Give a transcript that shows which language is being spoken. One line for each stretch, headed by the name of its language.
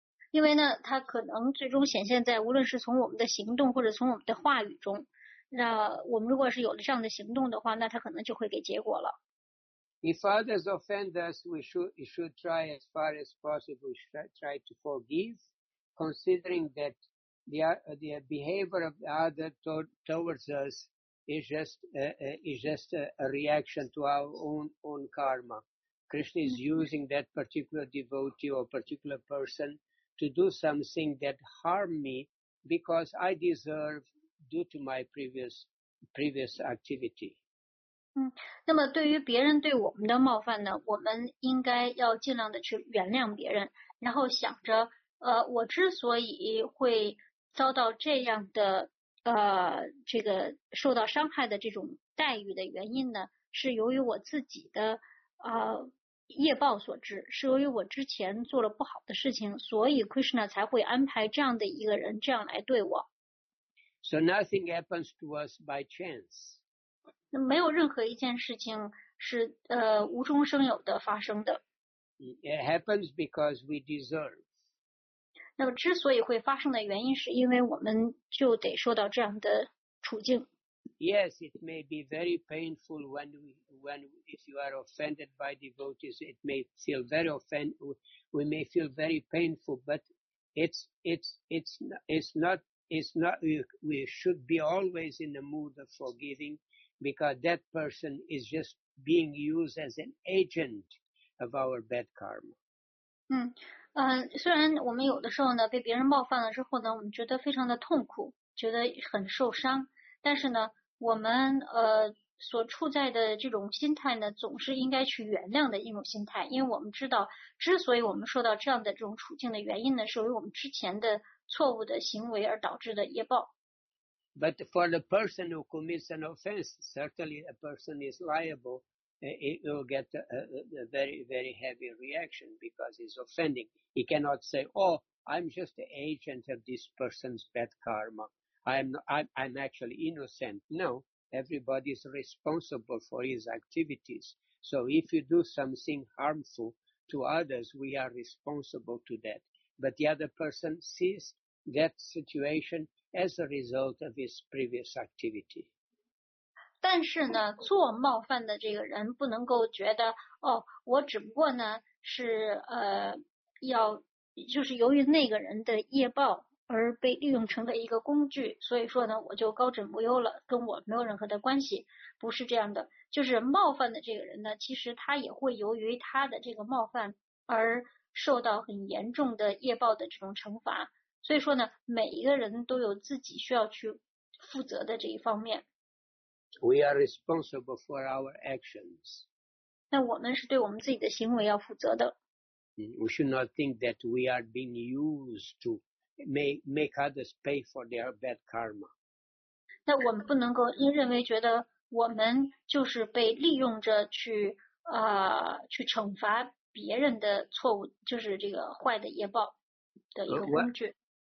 Chinese: 因为呢，它可能最终显现在无论是从我们的行动或者从我们的话语中。那我们如果是有了这样的行动的话，那他可能就会给结果了。
English: If others offend us, we should try as far as possible try to forgive, considering that the behavior of the other towards us is just a reaction to our own karma. Krishna is using that particular devotee or particular person to do something that harm me because I deserve. Due to my previous activity.
Chinese: 嗯，那么对于别人对我们的冒犯呢，我们应该要尽量的去原谅别人，然后想着，我之所以会遭到这样的，这个受到伤害的这种待遇的原因呢，是由于我自己的，业报所致，是由于我之前做了不好的事情，所以 Krishna 才会安排这样的一个人这样来对我。
English: So nothing happens to us by chance.
Chinese: 没有任何一件事情是无中生有的发生的。
English: It happens because we deserve.
Chinese: 那么之所以会发生的原因是因为我们就得受到这样的处境。
English: Yes, it may be very painful if you are offended by devotees, it may feel very we may feel very painful, but it's not, we should be always in the mood of forgiving because that person is just being used as an agent of our bad karma.
Chinese: 嗯，虽然我们有的时候呢被别人冒犯了之后呢，我们觉得非常的痛苦，觉得很受伤，但是呢，我们所处在的这种心态呢，总是应该去原谅的一种心态，因为我们知道，之所以我们受到这样的这种处境的原因呢，是由于我们之前的错误的行为而导致的业报。
English: But for the person who commits an offense, certainly a person is liable. He will get a very, very heavy reaction because he's offending. He cannot say, "Oh, I'm just the agent of this person's bad karma. I'm actually innocent." No, everybody is responsible for his activities. So if you do something harmful to others, we are responsible to that. But the other person sees that situation as a result of his previous activity.
Chinese: 但是呢，做冒犯的这个人不能够觉得哦，我只不过呢是要就是由于那个人的业报而被利用成了一个工具，所以说呢我就高枕无忧了，跟我没有任何的关系，不是这样的。就是冒犯的这个人呢，其实他也会由于他的这个冒犯而受到很严重的业报的这种惩罚。所以说呢，每一个人都有自己需要去负责的这一方面。
English: We are responsible for our actions.
Chinese: 那我们是对我们自己的行为要负责的。
English: We should not think that we are being used to make others pay for their bad karma.
Chinese: 那我们不能够因认为觉得我们就是被利用着去惩罚别人的错误，就是这个坏的业报的一个工具。